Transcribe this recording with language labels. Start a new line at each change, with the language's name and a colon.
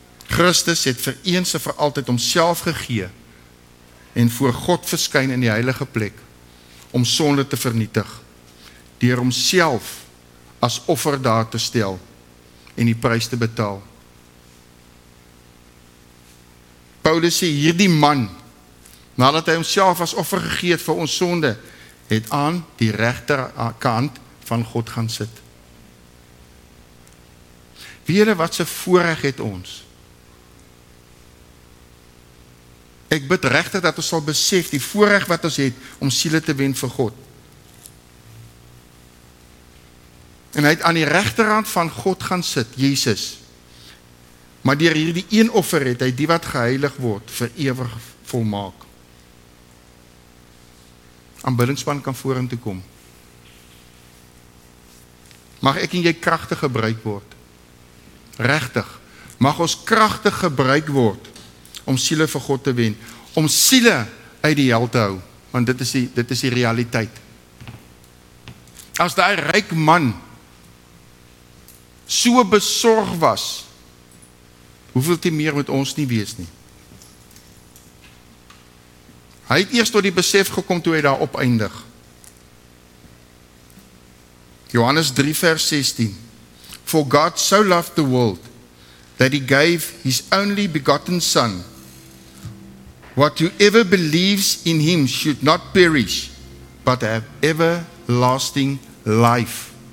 Afrikaans: Christus het vir eens en vir altyd homself gegee en voor God verskyn in die heilige plek om sonde te vernietig, deur homself as offer daar te stel en die prys te betaal. Paulus sê, hierdie man, nadat hy homself as offer gegee het vir ons sonde, het aan die regterkant van God gaan sit. Wie julle wat se voorreg het ons? Ek bid regtig dat ons sal besef die voorreg wat ons het om siele te wen vir God. En hy het aan die regterkant van God gaan sit, Jesus. Maar deur hierdie een offer het hy die wat geheilig word vir ewig volmaak. Aanbiddingsspan kan vorentoe kom. Mag ek en jy kragtig gebruik word. Regtig. Mag ons kragtig gebruik word om siele vir God te wen, om siele uit die hel te hou, want dit is die realiteit. As daai ryk man so besorg was, hoeveel te meer met ons nie wees nie. Hy het eers tot die besef gekom toe hy daar opeindig. Johannes 3 vers 16.
English: For God so loved the world that he gave his only begotten son. What whoever believes in him should not perish, but have everlasting life.